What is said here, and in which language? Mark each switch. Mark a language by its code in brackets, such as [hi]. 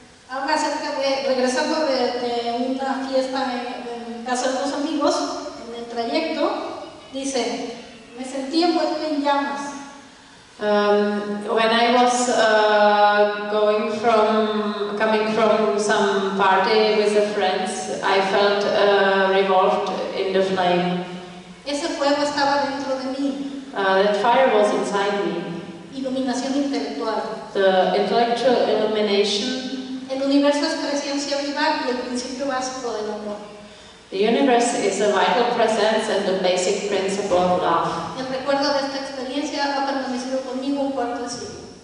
[es] Habla acerca de regresando de una fiesta en casa de unos amigos, en el trayecto, dice, me sentí envuelto en llamas. [en] When I was coming from some party with the friends, I felt revolved in the flame. [es] Ese fuego estaba dentro de mí. [en] That fire was inside me. [es] Iluminación intelectual. [en] The intellectual illumination. [es] El universo es presencia vital y el principio básico del amor. [en] The universe is a vital presence and the basic principle of love. [es] El recuerdo de esta experiencia ha permanecido conmigo un cuarto de siglo.